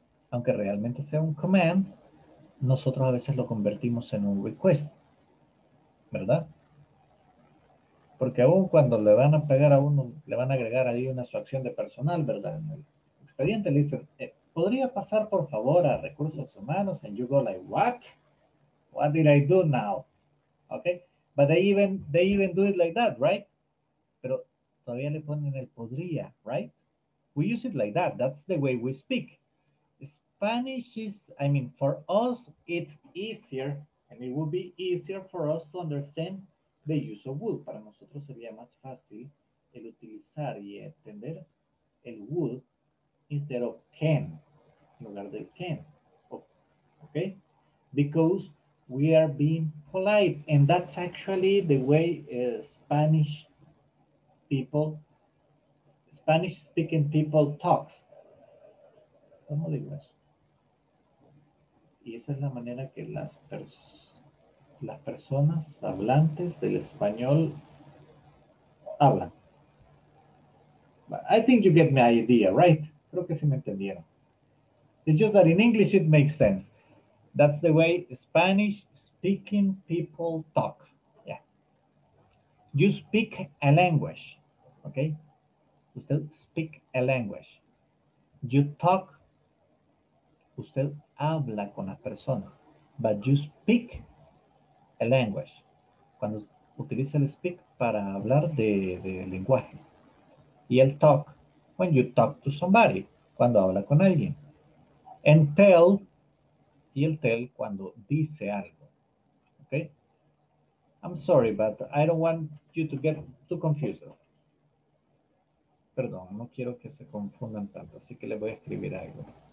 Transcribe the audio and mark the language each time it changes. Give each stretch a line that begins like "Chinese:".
Spanish: Aunque realmente sea un command, nosotros a veces lo convertimos en un request. ¿Verdad? Porque aún cuando le van a pegar a uno, le van a agregar ahí una sustracción de personal, ¿verdad? En el expediente le dicen, ¿podría pasar por favor a recursos humanos?
English: And you go like, what? What did I do now? Okay? But they even do it like that, right?
Spanish: Pero todavía le ponen el podría,
English: right? We use it like that. That's the way we speak. Spanish is, I mean, for us, it's easier. And it would be easier for us to understand the use of would.
Spanish: Para nosotros sería más fácil el utilizar y entender el would
English: instead of can,
Spanish: en lugar del can. Okay?
English: Because we are being polite, and that's actually the way Spanish-speaking people talk.
Spanish: ¿Cómo digo eso? Y esa es la manera que las personas hablantes del español hablan.
English: I think you get my idea, right?
Spanish: Creo que sí me entendieron.
English: It's just that in English it makes sense. That's the way Spanish-speaking people talk. Yeah. You speak a language, okay? Usted speak a language. You talk,
Spanish: usted habla con las personas,
English: but you speak a language.
Spanish: Cuando utiliza el speak para hablar de lenguaje. Y el talk,
English: when you talk to somebody,
Spanish: cuando habla con alguien.
English: And tell,
Spanish: y el tell cuando dice algo. Okay?
English: I'm sorry, but I don't want you to get too confused.
Spanish: Perdón, no quiero que se confundan tanto, así que le voy a escribir algo.